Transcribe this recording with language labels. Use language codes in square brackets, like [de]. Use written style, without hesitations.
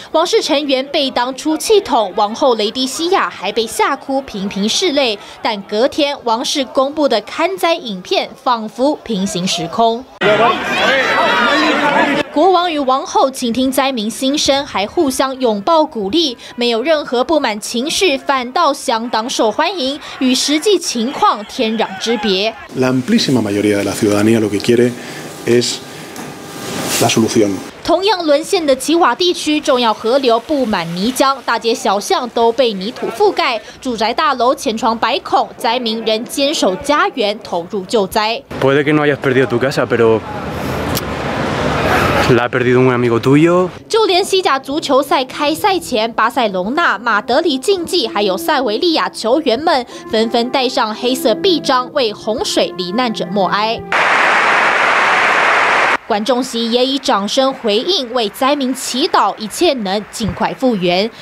[zh] 王室成员被当出气筒，王后雷迪西亚还被吓哭频频拭泪，但隔天王室公布的看灾影片仿佛平行时空。国王与王后倾听灾民心声，还互相拥抱鼓励，没有任何不满情绪，反倒相当受欢迎，与实际情况天壤之别。 [es] La amplísima mayoría de la ciudadanía lo que quiere es la solución。 [zh] 同样沦陷的奇瓦地区，重要河流布满泥浆，大街小巷都被泥土覆盖，住宅大楼千疮百孔，灾民仍坚守家园，投入救灾。 [es] Puede que no hayas perdido tu casa, pero La ha perdido un amigo tuyo。 [zh] 就连西甲足球赛开赛前，巴塞隆纳、马德里竞技还有塞维利亚球员们纷纷戴上黑色臂章，为洪水罹难者默哀。观众席也以掌声回应，为灾民祈祷一切能尽快复原。